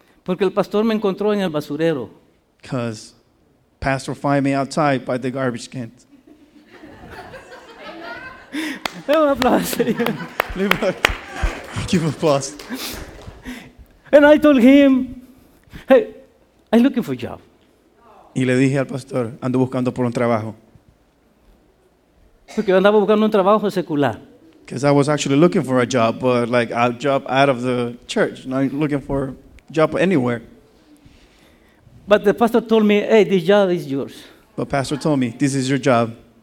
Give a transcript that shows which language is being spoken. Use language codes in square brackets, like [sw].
[es] Porque el pastor me encontró en el basurero. [en] Because pastor find me outside by the garbage can. [es] Un aplauso. [en] Give applause. And I told him, hey, I'm looking for a job. [es] Y le dije al pastor, ando buscando por un trabajo. Porque andaba buscando un trabajo secular. [en] Because I was actually looking for a job, but like a job out of the church, not looking for a job anywhere. But the pastor told me, hey, this job is yours. But pastor told me, this is your job.